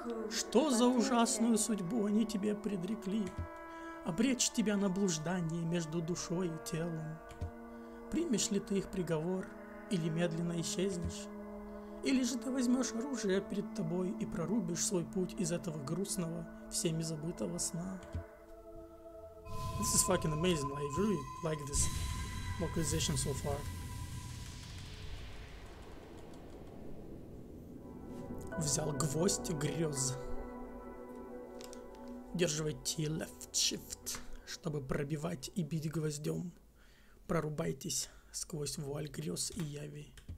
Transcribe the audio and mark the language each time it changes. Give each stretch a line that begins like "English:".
Russian: Что за ужасную судьбу они тебе предрекли? Обречь тебя на блуждание между душой и телом. Примешь ли ты их приговор, или медленно исчезнешь? Или же ты возьмешь оружие перед тобой и прорубишь свой путь из этого грустного, всеми забытого сна?
English: This is fucking amazing, I really like this localization so far.
Russian: Взял гвоздь грез. Держивайте left shift, чтобы пробивать и бить гвоздем. Прорубайтесь сквозь вуаль грез и яви.